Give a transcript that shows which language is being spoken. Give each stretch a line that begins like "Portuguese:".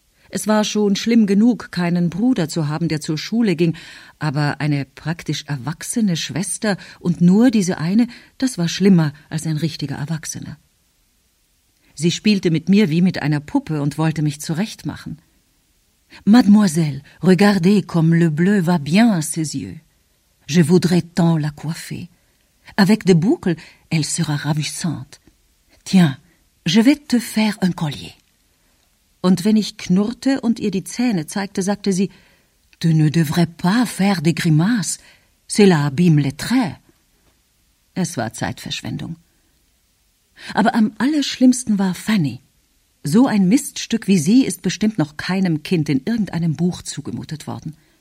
German: Es war schon schlimm genug, keinen Bruder zu haben, der zur Schule ging, aber eine praktisch erwachsene Schwester und nur diese eine, das war schlimmer als ein richtiger Erwachsener. Sie spielte mit mir wie mit einer Puppe und wollte mich zurechtmachen.
French: »Mademoiselle, regardez comme le bleu va bien à ses yeux. Je voudrais tant la coiffer. Avec des boucles, elle sera ravissante. Tiens, je vais te faire un collier.«
German: Und wenn ich knurrte und ihr die Zähne zeigte, sagte sie,
French: »Tu ne devrais pas faire des grimaces. Cela abîme les traits.«
German: Es war Zeitverschwendung. Aber am allerschlimmsten war Fanny. So ein Miststück wie sie ist bestimmt noch keinem Kind in irgendeinem Buch zugemutet worden.